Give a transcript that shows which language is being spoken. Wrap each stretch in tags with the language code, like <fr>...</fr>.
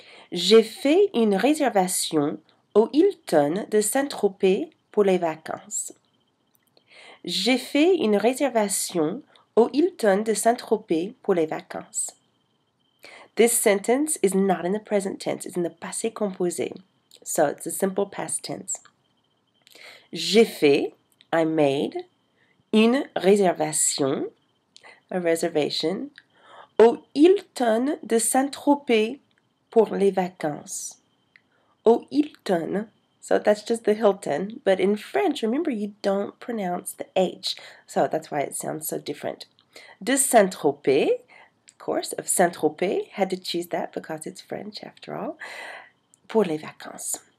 <fr>J'ai fait une réservation au Hilton de Saint-Tropez pour les vacances. J'ai fait une réservation au Hilton de Saint-Tropez pour les vacances.</fr> <en>This sentence is not in the present tense. It's in the passé composé. So it's a simple past tense.</en> <fr>J'ai fait,</fr> <en>I made,</en> <fr>une réservation,</fr> <en>a reservation,</en> <fr>au Hilton de Saint-Tropez pour les vacances. Au Hilton.</fr> <en>So that's just the Hilton, but in French, remember, you don't pronounce the H. So that's why it sounds so different. De Saint-Tropez, of course, of Saint-Tropez. Had to choose that because it's French, after all.</en> <fr>Pour les vacances.</fr>